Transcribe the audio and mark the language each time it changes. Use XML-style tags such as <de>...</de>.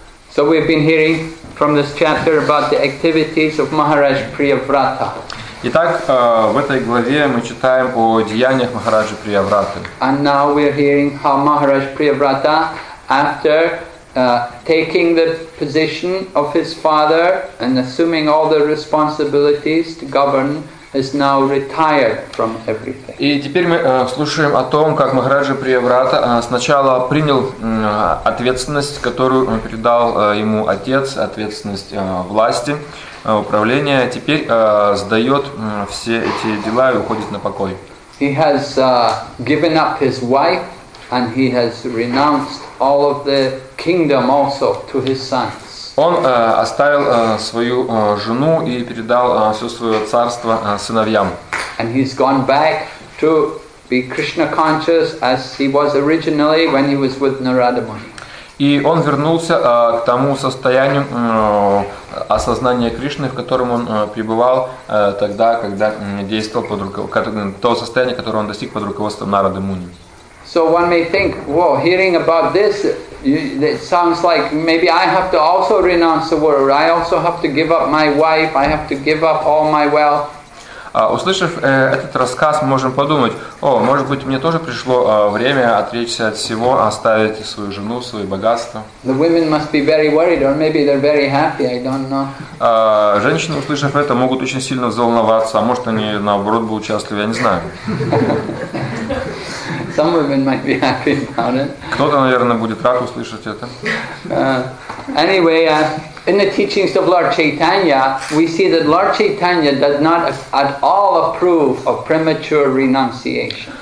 <en>So we've been hearing from this chapter about the activities of Maharaj Priyavrata.</en> <ru>Итак, в этой главе мы читаем о деяниях Махараджи Приявраты.</ru> <en>And now we are hearing how Maharaj Priyavrata, after taking the position of his father and assuming all the responsibilities to govern is now retired from everything.</en> <ru>И теперь мы слушаем о том, как Махараджа Приеврата сначала принял ответственность, которую передал ему отец, ответственность власти, управления, теперь сдает все эти дела и уходит на покой.</ru> <en>He has given up his wife and he has renounced all of the kingdom also to his son.</en> <ru>Он оставил свою жену и передал все свое царство сыновьям.</ru> <en>And he's gone back to be Krishna conscious as he was originally when he was with Narada Muni.</en> <ru>И он вернулся к тому состоянию осознания Кришны, в котором он пребывал тогда, когда действовал под руководством, то состояние, которое он достиг под руководством Нарады Муни.</ru> <en>So one may think, well, hearing about this, it sounds like maybe I have to also renounce the world. I also have to give up my wife. I have to give up all my wealth.</en> <ru>Услышав этот рассказ, мы можем подумать, о, может быть, мне тоже пришло время отречься от всего, оставить свою жену, свои богатства.</ru> <en>The women must be very worried, or maybe they're very happy, I don't know.</en> <ru>Женщины, услышав это, могут очень сильно взволноваться, а может, они, наоборот, будут счастливы, я не знаю.</ru> <en>Some women might be happy about it.</en> <ru>Кто-то, наверное, будет рад услышать это.</ru> <en>Anyway, in the teachings of Lord Chaitanya, we see that Lord Chaitanya does not at all approve of premature renunciation.</en>